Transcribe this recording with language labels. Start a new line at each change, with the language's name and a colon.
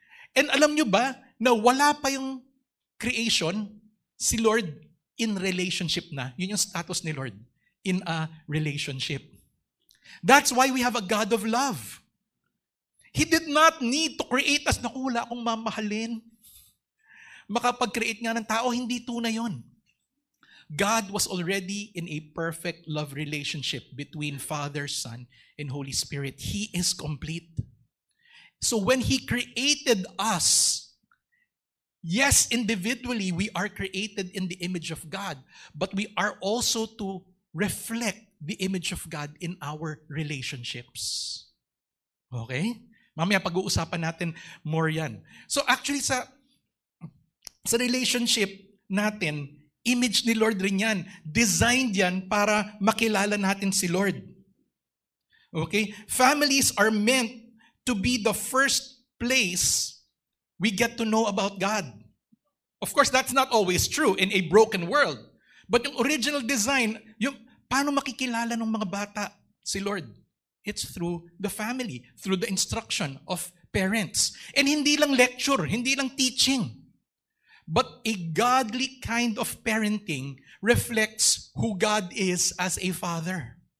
Filipino: And alam nyo ba na wala pa yung creation, si Lord
English: in relationship na.
Filipino: Yun yung status ni Lord.
English: In a relationship. That's why we have a God of love. He did not need to create us.
Filipino: Naku, wala akong mamahalin. Makapag-create nga ng tao, hindi tunay yun.
English: God was already in a perfect love relationship between Father, Son, and Holy Spirit. He is complete. So when He created us, yes, individually, we are created in the image of God, but we are also to reflect the image of God in our relationships.
Filipino: Okay? Mamaya, pag-uusapan natin more yan. So actually, sa relationship natin, image ni Lord rin yan. Designed yan para makilala natin si Lord. Okay?
English: Families are meant to be the first place we get to know about God. Of course, that's not always true in a broken world.
Filipino: But yung original design, yung paano makikilala ng mga bata si Lord?
English: It's through the family, through the instruction of parents.
Filipino: And hindi lang lecture, hindi lang teaching.
English: But a godly kind of parenting reflects who God is as a father.